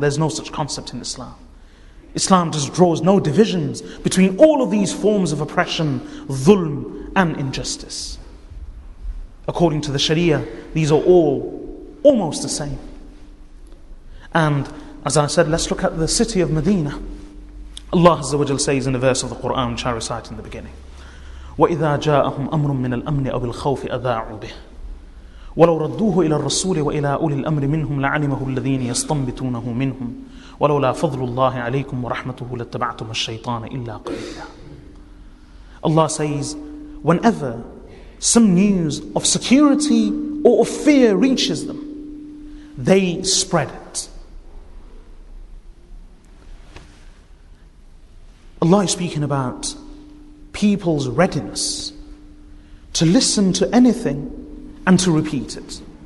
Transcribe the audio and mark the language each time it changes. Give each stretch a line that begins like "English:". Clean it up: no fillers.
English: There's no such concept in Islam. Islam just draws no divisions between all of these forms of oppression, dhulm, and injustice. According to the Sharia, these are all almost the same. And as I said, let's look at the city of Medina. Allah Azza wa Jal says in a verse of the Quran, which I recite in the beginning,
Arabic: وَإِذَا جَاءَهُمْ أَمْرٌ مِّنَ الْأَمْنِ أَوِ الْخَوْفِ أَذَاعُوا بِهِ وَلَوْ رَدُّوهُ إِلَى الرَّسُولِ وَإِلَى أُولِي الْأَمْرِ مِنْهُمْ لَعَلِمَهُ الَّذِينَ يَسْتَنْبِتُونَهُ مِنْهُمْ وَلَوْ لَا فَضْلُ اللَّهِ عَلَيْكُمْ وَرَحْمَتُهُ لَاتَّبَعْتُمُ الشَّيْطَانَ إِلَّا قَلِيلًا.
English: Allah says, whenever some news of security or of fear reaches them, they spread it. Allah is speaking about people's readiness to listen to anything and to repeat it.